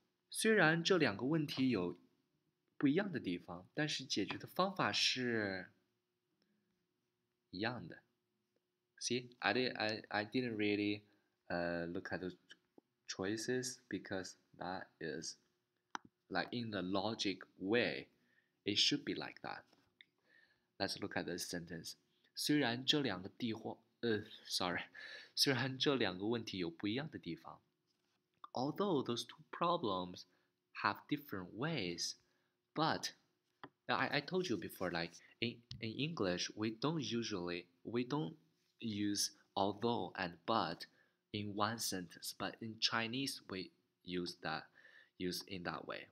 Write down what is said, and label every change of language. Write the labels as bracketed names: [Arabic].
[Chinese] 虽然这两个问题有不一样的地方，但是解决的方法是一样的。 [English] See, I didn't really look at the choices because that is like in the logic way, it should be like that. Let's look at the sentence. [Chinese] 虽然这两个问题有不一样的地方 [English] ，although those two problems.Have different ways, but I told you before, like in English, we don't use although and but in one sentence, but in Chinese, we use in that way.